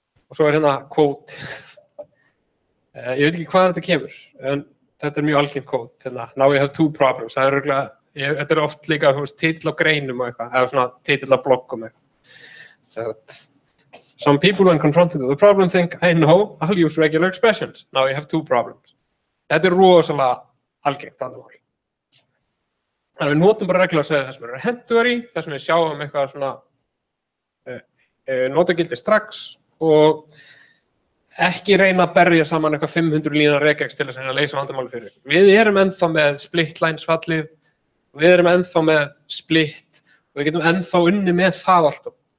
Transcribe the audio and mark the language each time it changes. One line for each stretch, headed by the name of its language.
Icelandic: Og svo hérna quote. Ég veit ekki hvað þetta kemur, en þetta mjög algengt quote. Hérna,
English: now we have two problems.
Icelandic: Það örugglega, þetta oft líka titill á greinum og eitthvað, eða svona titill á bloggum eitthvað.
English: Some people when confronted with a problem think, I know, I'll use regular expressions. Now we have two problems.
Icelandic: Þetta rosalega algengt vandamál. Þannig að við notum bara reglulega að segja það sem eru hentugar í, það sem við sjáum eitthvað svona notagildi strax og ekki reyna að berja saman eitthvað 500 lína regex til að leysa vandamáli fyrir. Við erum ennþá með split lines fallið, við erum ennþá með split og við getum ennþá unni með það alltaf.